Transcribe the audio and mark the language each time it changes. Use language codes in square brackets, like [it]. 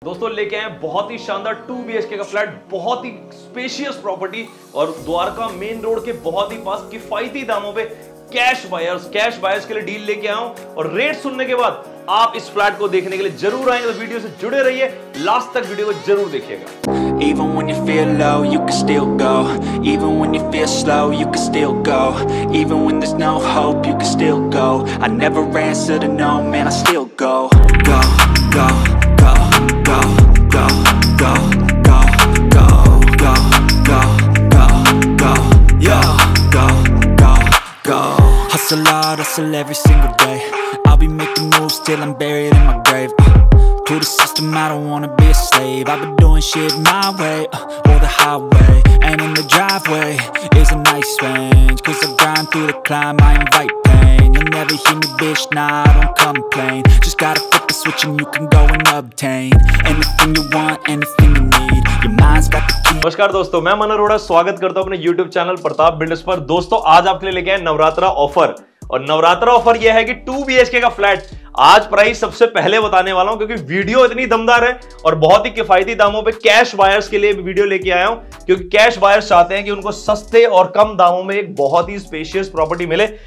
[hi] दोस्तों लेके आए बहुत ही शानदार 2 BHK का फ्लैट, बहुत ही स्पेशियस प्रॉपर्टी और द्वारका मेन रोड के बहुत ही पास किफायती दामों पे कैश बायर्स के लिए डील लेके आया हूं। और रेट सुनने के बाद आप इस फ्लैट को देखने के लिए जरूर आएंगे, तो वीडियो से जुड़े रहिए, लास्ट तक वीडियो को जरूर देखिएगा। [en] Even when you feel low, you can still go. Even when you feel slow, you can still go. Even when there's no hope, you can still go. I never answer to no, man, I still go. Go, go, go, go, go, go, go, go, go, go, go, go, yo, go, go, go. Hustle hard, hustle every single day. I'll be making moves till I'm buried in my grave. To the system, I don't wanna be a slave. I've been doing shit my way, or the highway. And in the driveway is a nice range. Cause I grind through the climb, I invite pain. You'll never hear me, bitch, nah, I don't complain. Just gotta flip the switch and you can go and obtain anything you want, anything you need. Your mind's got the key. [hi] नमस्कार दोस्तों, मैं मन अरोड़ा स्वागत करता हूँ अपने YouTube channel Pratap builders पर। दोस्तों आज आपके लिए लेके आए नवरात्रा ऑफर, और नवरात्रा ऑफर यह है कि 2 BHK का फ्लैट आज प्राइस सबसे पहले बताने वाला हूं, क्योंकि वीडियो इतनी दमदार है और बहुत ही किफायती दामों पे कैश बायर्स के लिए भी वीडियो लेके आया हूं, क्योंकि कैश बायर्स चाहते हैं कि उनको सस्ते और कम दामों में एक बहुत ही स्पेशियस प्रॉपर्टी मिले।